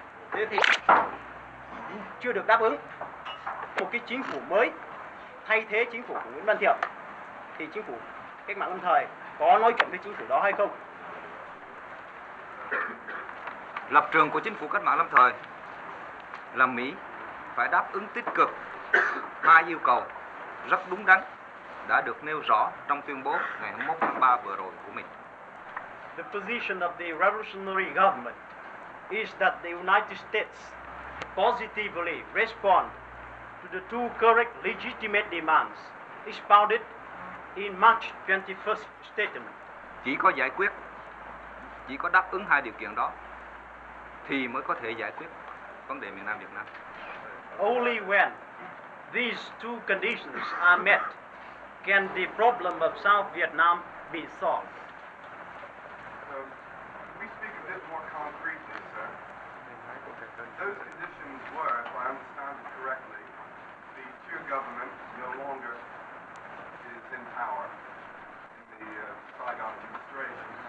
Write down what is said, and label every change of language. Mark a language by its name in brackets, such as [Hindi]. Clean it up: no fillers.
[Vietnamese] Thế thì chưa được đáp ứng. Một cái chính phủ mới thay thế chính phủ của Nguyễn Văn Thiệu thì chính phủ cách mạng lâm thời có nói chuyện với chính phủ đó hay không? Lập trường của chính phủ cách mạng lâm thời là Mỹ phải đáp ứng tích cực hai yêu cầu rất đúng đắn đã được nêu rõ trong tuyên bố ngày 21 tháng 3 vừa rồi của mình. [English] the position of the revolutionary government is that the United States positively respond to the two correct legitimate demands expounded in March 21st statement. [Vietnamese] Chỉ có giải quyết, chỉ có đáp ứng hai điều kiện đó thì mới có thể giải quyết vấn đề miền Nam Việt Nam. [English] Only when these two conditions are met can the problem of South Vietnam be solved. Can we speak a bit more concretely, sir? Those conditions were, if I understand it correctly, the Thieu government no longer is in power in the Saigon administration.